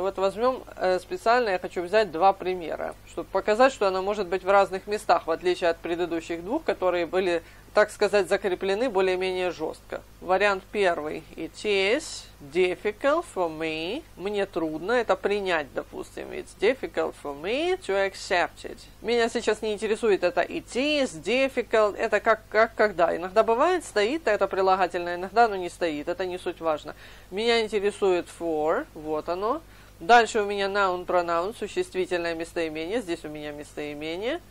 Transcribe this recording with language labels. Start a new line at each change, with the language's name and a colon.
Russian: Вот возьмем специально, я хочу взять два примера, чтобы показать, что она может быть в разных местах, в отличие от предыдущих двух, которые были, так сказать, закреплены более-менее жестко. Вариант первый.
English: It is difficult for me.
Russian: Мне трудно это принять, допустим.
English: It's difficult for me to accept it.
Russian: Меня сейчас не интересует это
English: it is difficult.
Russian: Это как когда. Иногда бывает, стоит это прилагательное, иногда оно не стоит. Это не суть важно. Меня интересует for. Вот оно. Дальше у меня noun, pronoun, существительное местоимение, здесь у меня местоимение.